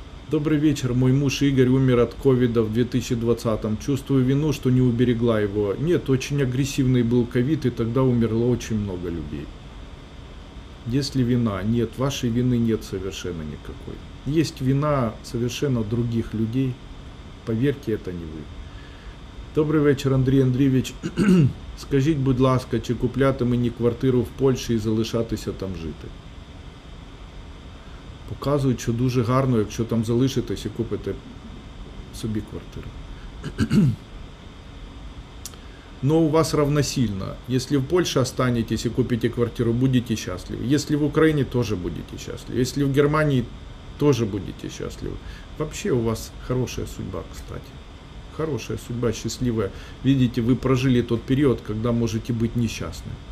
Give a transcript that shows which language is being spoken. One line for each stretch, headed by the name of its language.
Russian: Добрый вечер. Мой муж Игорь умер от ковида в 2020-м. Чувствую вину, что не уберегла его. Нет, очень агрессивный был ковид, и тогда умерло очень много людей. Есть ли вина? Нет, вашей вины нет совершенно никакой. Есть вина совершенно других людей. Поверьте, это не вы.
Ukrainian: Добрый вечер, Андрій Андрійович. Скажіть, будь ласка, чи купляти мені квартиру в Польщі і залишатися там жити? Показують, що дуже гарно, якщо там залишитись і купите собі квартиру.
Russian: Но у вас равносильно. Если в Польше останетесь и купите квартиру, будете счастливы. Если в Украине, тоже будете счастливы. Если в Германии, тоже будете счастливы. Вообще у вас хорошая судьба, кстати. Хорошая судьба, счастливая. Видите, вы прожили тот период, когда можете быть несчастны.